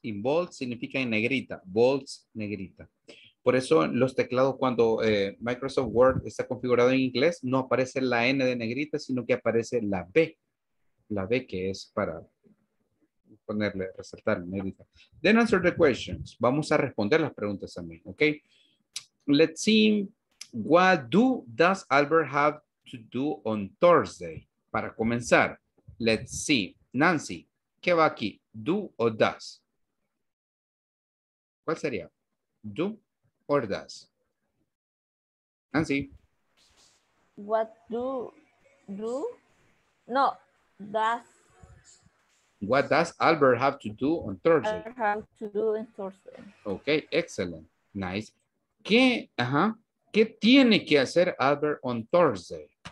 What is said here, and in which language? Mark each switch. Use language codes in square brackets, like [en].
[es] In bolds significa en negrita. Bolds, negrita. Por eso los teclados cuando Microsoft Word está configurado en inglés, no aparece la N de negrita, sino que aparece la B. La B que es para ponerle, resaltar en negrita. [en] Then answer the questions. [es] Vamos a responder las preguntas también, ¿ok? [en] Let's see, what does Albert have to do on Thursday? [es] Para comenzar, [en] let's see. [es] Nancy, ¿qué va aquí? Do o does? ¿Cuál sería? Do. Or does? Nancy. [en] What do? No, does. What does Albert have to do on Thursday? Albert have to do on Thursday. Okay, excellent. Nice. [es] ¿Qué, ¿Qué tiene que hacer Albert [en] on Thursday?